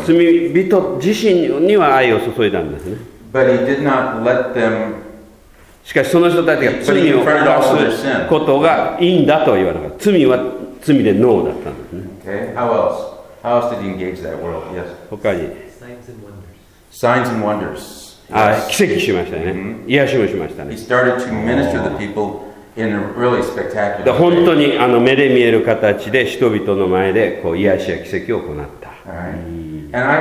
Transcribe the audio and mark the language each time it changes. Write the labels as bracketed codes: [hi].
[ja] 罪人自身には愛を注いだんですね。 [en] But he did not let them. [ja] しかしその人たちが罪を犯すことがいいんだと言わなかった。罪は罪でノーだったんですね。 [en] Okay. How else? How else did he engage that world? Yes. [ja] 他に。 [en] Signs and wonders. [ja] Yes. 奇跡しましたね。癒しもしましたね。 [en] He started to minister the people. In a really、spectacular [ja] で本当にあの目で見える形で人々の前でこう癒しや奇跡を行った。